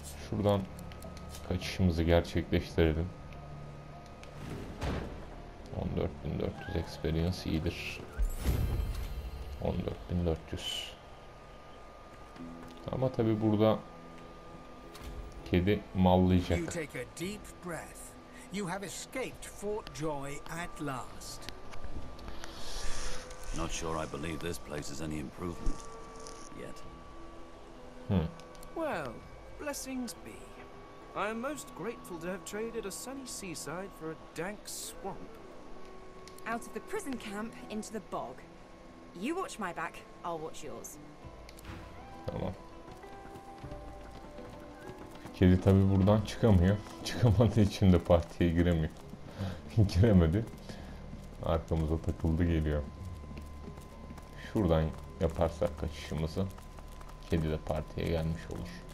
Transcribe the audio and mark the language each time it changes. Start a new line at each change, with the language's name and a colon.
Turkish: Şuradan kaçışımızı gerçekleştirelim. 14.400 experience iyidir. 14.400. Ama tabii burada kedi mallayacak.
English: You take a deep breath. You have escaped Fort Joy at last. Not sure I believe this place is any improvement yet. Well, blessings be. I am most grateful to have traded a sunny seaside for a dank swamp. Out of the prison camp into the bog. You watch my back, I'll watch yours.
Turkish: Tamam. Kedi tabi buradan çıkamıyor. Çıkamadığı için de partiye giremiyor. Giremedi. Arkamıza takıldı geliyor. Şuradan yaparsak kaçışımızı. Kedi de partiye gelmiş olur.